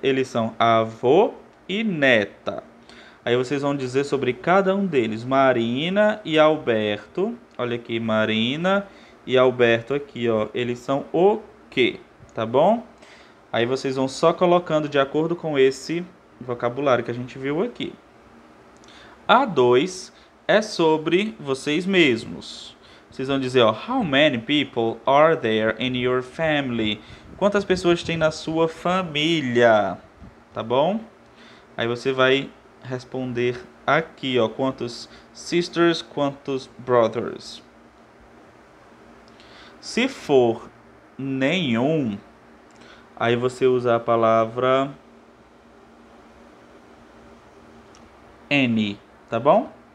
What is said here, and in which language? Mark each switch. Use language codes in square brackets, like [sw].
[pt] Eles são avô e neta. Aí vocês vão dizer sobre cada um deles, Marina e Alberto. Olha aqui, Marina e Alberto aqui, ó, eles são o quê? Tá bom? Aí vocês vão só colocando de acordo com esse vocabulário que a gente viu aqui. A 2 é sobre vocês mesmos. Vocês vão dizer, ó, [en] how many people are there in your family? [pt] Quantas pessoas tem na sua família? Tá bom? Aí você vai responder aqui, ó, quantos sisters, quantos brothers. Se for nenhum, aí você usa a palavra any, tá bom?